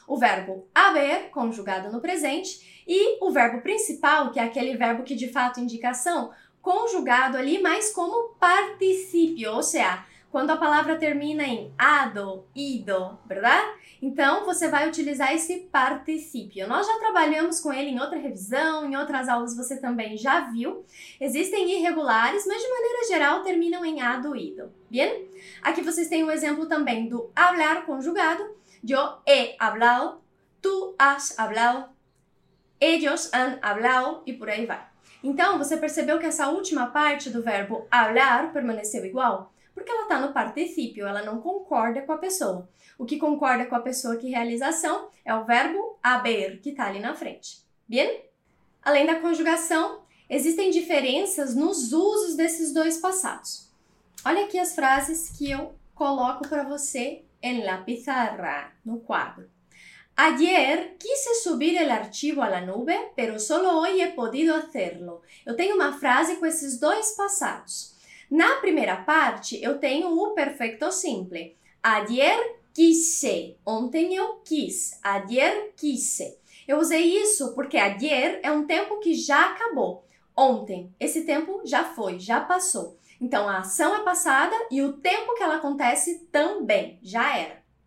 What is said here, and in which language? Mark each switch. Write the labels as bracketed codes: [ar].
[pt] O verbo haver, conjugado no presente, e o verbo principal, que é aquele verbo que de fato indica ação, conjugado ali, mas como participio, ou seja, quando a palavra termina em ado, ido, verdade? Então, você vai utilizar esse participio. Nós já trabalhamos com ele em outra revisão, em outras aulas você também já viu. Existem irregulares, mas de maneira geral terminam em ado, ido. Bien? Aqui vocês têm um exemplo também do hablar conjugado. [es] Yo he hablado, tú has hablado, ellos han hablado [pt] e por aí vai. Então, você percebeu que essa última parte do verbo hablar permaneceu igual? Porque ela está no particípio, ela não concorda com a pessoa. O que concorda com a pessoa que realiza a ação é o verbo haber, que está ali na frente. Bien? Além da conjugação, existem diferenças nos usos desses dois passados. Olha aqui as frases que eu coloco para você [es] en la pizarra, [pt] no quadro. [es] Ayer quise subir el archivo a la nube, pero solo hoy he podido hacerlo. [pt] Eu tenho uma frase com esses dois passados. Na primeira parte, eu tenho o perfecto simple. [es] Ayer quise. [pt] Ontem eu quis. [es] Ayer quise. [pt] Eu usei isso porque ayer é um tempo que já acabou. Ontem, esse tempo já foi, já passou. Então, a ação é passada e o tempo que ela acontece também, já era.